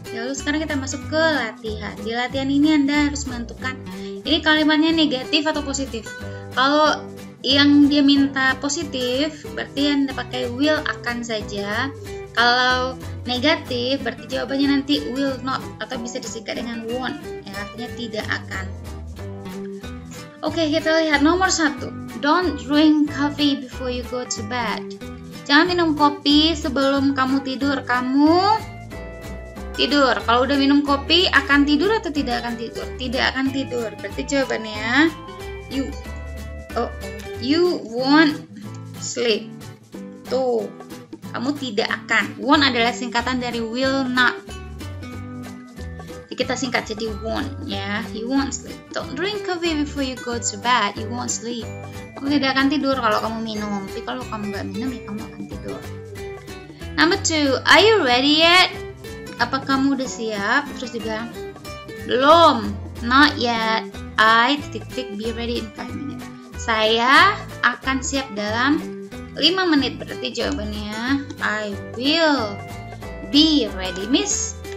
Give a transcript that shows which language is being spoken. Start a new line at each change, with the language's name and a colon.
Indonesian: Lalu sekarang kita masuk ke latihan. Di latihan ini Anda harus menentukan ini kalimatnya negatif atau positif. Kalau yang dia minta positif, berarti Anda pakai will akan saja. Kalau negatif, berarti jawabannya nanti will not, atau bisa disingkat dengan won't, ya, artinya tidak akan. Oke, kita lihat nomor 1.
English: Don't drink coffee before you go to bed.
Indonesian: Jangan minum kopi sebelum kamu tidur. Kamu tidur. Kalau udah minum kopi, akan tidur atau tidak akan tidur? Tidak akan tidur. Berarti jawabannya
English: you won't sleep.
Indonesian: Tuh, kamu tidak akan. Won't adalah singkatan dari will not. Jadi kita singkat jadi won't ya.
English: You won't sleep. Don't drink coffee before you go to bed. You won't sleep.
Indonesian: Kamu tidak akan tidur kalau kamu minum. Tapi kalau kamu gak minum ya kamu akan tidur.
English: Number 2. Are you ready yet?
Indonesian: Apa kamu udah siap? Terus juga belum.
English: Not yet. Be ready in 5 minutes.
Indonesian: Saya akan siap dalam 5 menit, berarti jawabannya
English: I will be ready, miss.